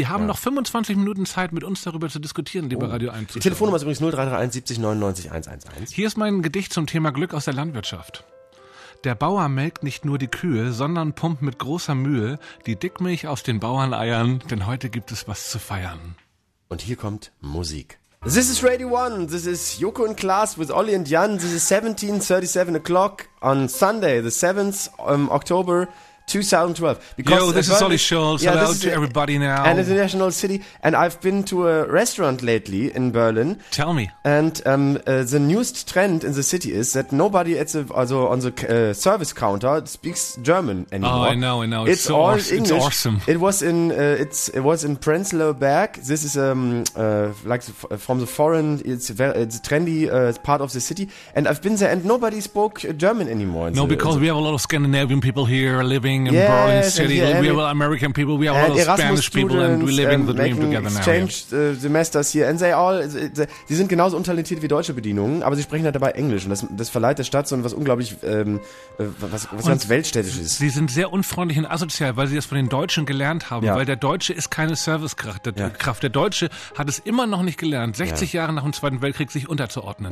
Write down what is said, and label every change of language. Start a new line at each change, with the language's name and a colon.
German: Sie haben noch 25 Minuten Zeit, mit uns darüber zu diskutieren, lieber Radio 1. Die Telefonnummer ist übrigens 0331 70 99 111. Hier ist mein Gedicht zum Thema Glück aus der Landwirtschaft. Der Bauer melkt nicht nur die Kühe, sondern pumpt mit großer Mühe die Dickmilch aus den Bauerneiern, denn heute gibt es was zu feiern. Und hier kommt Musik.
English: This is Radio 1, this is Joko und Klaas with Olli und Jan, this is 17:37 o'clock on Sunday, the 7th October 2012. Because yo, this is Olli Scholz, yeah, hello to everybody now. An international city, and I've been to a restaurant lately in Berlin. Tell me. And the newest trend in the city is that nobody on the service counter speaks German anymore. Oh, I know. It's so all English. It's awesome. It was in Prenzlauer Berg. This is from the foreign, it's trendy part of the city. And I've been there and nobody spoke German anymore. We have a lot of Scandinavian people here living. In Berlin City, we have American people, we have all those Spanish people, and we live in the dream together now. Exchange semesters here, and
German: sie sind genauso untalentiert wie deutsche Bedienungen, aber sie sprechen halt dabei Englisch, und das verleiht der Stadt so was unglaublich, was ganz weltstädtisches. Sie sind sehr unfreundlich und asozial, weil sie das von den Deutschen gelernt haben, weil der Deutsche ist keine Servicekraft. Der Deutsche hat es immer noch nicht gelernt, 60 Jahre nach dem Zweiten Weltkrieg sich unterzuordnen.